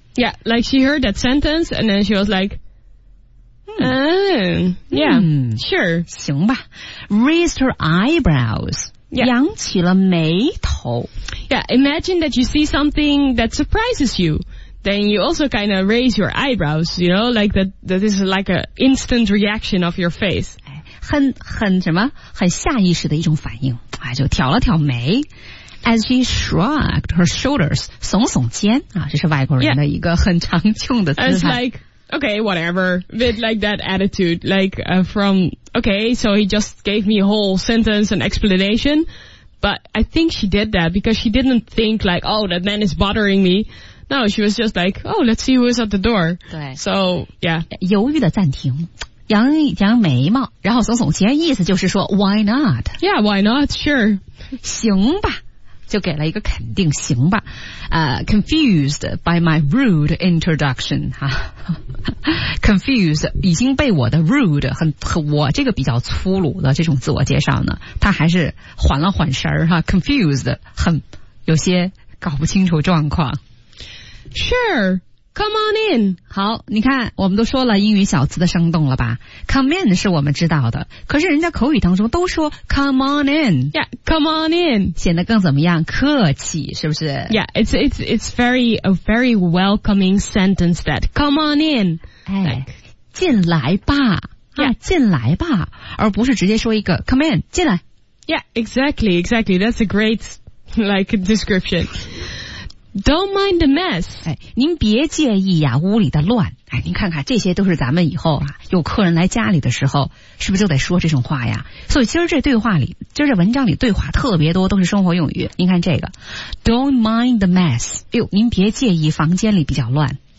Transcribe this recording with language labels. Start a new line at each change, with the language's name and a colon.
English: Yeah, like she heard that sentence and then she was like,Sure.
Chinese: 行吧。
English: Raised her eyebrows. Yeah.
Chinese: 扬起了眉头。
English: Yeah, imagine that you see something that surprises you. Then you also kind of raise your eyebrows, you know, like that is like an instant reaction of your face.
Chinese: 很什么很下意识的一种反应。哎，就挑了挑眉。
English: As she shrugged her shoulders,
Chinese: 耸耸肩。啊，这是外国人的一个很常用的姿态。
English: Yeah. Okay, whatever. With like that attitude, so he just gave me a whole sentence and explanation. But I think she did that because she didn't think like, oh, that man is bothering me. No, she was just like, oh, let's see who is at the door.
Chinese: 对。
English: So, yeah.
Chinese: 犹豫的暂停，扬扬眉毛，然后耸耸肩，意思就是说 ，
English: Why not? Yeah, why not? Sure.
Chinese: 行吧。就给了一个肯定行吧、
English: confused by my rude introduction、
Chinese: 啊、confused 已经被我的 rude 和我这个比较粗鲁的这种自我介绍呢他还是缓了缓神、啊、confused 很有些搞不清楚状况
English: sure come on in
Chinese: 好你看我们都说了英语小词的生动了吧
English: come in
Chinese: 是我们知道的可是人家口语当中都说
English: come on in yeah come on in
Chinese: 显得更怎么样客气是不是
English: yeah it's very a very welcoming sentence that come on in
Chinese: 哎进来吧
English: yeah
Chinese: 进来吧而不是直接说一个
English: come in
Chinese: 进来
English: yeah exactly that's a great description Don't mind the mess.
Chinese: 哎，您别介意呀，屋里的乱。哎，您看看，这些都是咱们以后啊，有客人来家里的时候，是不是就得说这种话呀？所以今儿这文章里对话特别多，都是生活用语。您看这个
English: ，Don't mind the mess.
Chinese: 哎呦，您别介意房间里比较乱。